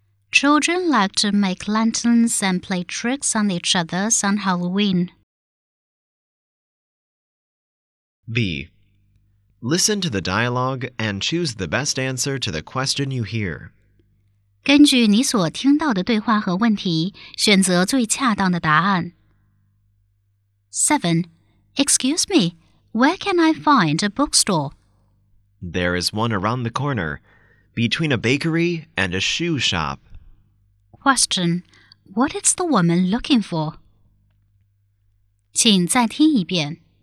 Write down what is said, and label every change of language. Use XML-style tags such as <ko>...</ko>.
<en>Children like to make lanterns and play tricks on each other on Halloween. B. Listen to the dialogue and choose the best answer to the question you hear.</en> <zh>根据你所听到的对话和问题，选择最恰当的答案。 7.</zh> <en>Excuse me, where can I find a bookstore? There is one around the corner, between a bakery and a shoe shop. Question, what is the woman looking for?</en> <zh>请再听一遍。</zh>